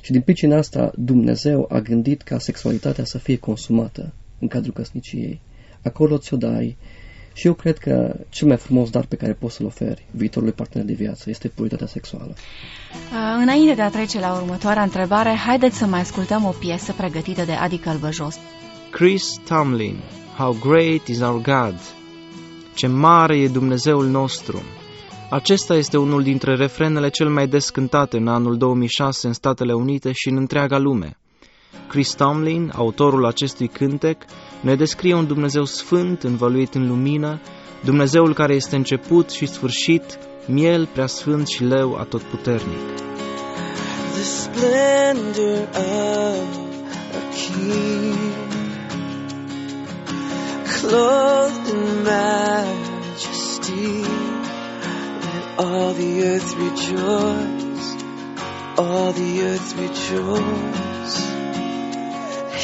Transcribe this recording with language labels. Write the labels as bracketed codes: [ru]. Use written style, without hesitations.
[ro] Și din pricina asta, Dumnezeu a gândit ca sexualitatea să fie consumată în cadrul căsniciei. Acolo ți-o dai. Și eu cred că cel mai frumos dar pe care poți să-l oferi viitorului partener de viață este puritatea sexuală. Înainte de a trece la următoarea întrebare, haideți să mai ascultăm o piesă pregătită de Adi Călbăjos. [en] Chris Tomlin, How Great is Our God! [ro] Ce mare e Dumnezeul nostru! Acesta este unul dintre refrenele cel mai des cântate în anul 2006 în Statele Unite și în întreaga lume. Chris Tomlin, autorul acestui cântec, ne descrie un Dumnezeu sfânt, învăluit în lumină, Dumnezeul care este început și sfârșit, miel preasfânt și leu atotputernic. [en] The splendor of a king, clothed in majesty. All the earth rejoice, all the earth rejoice.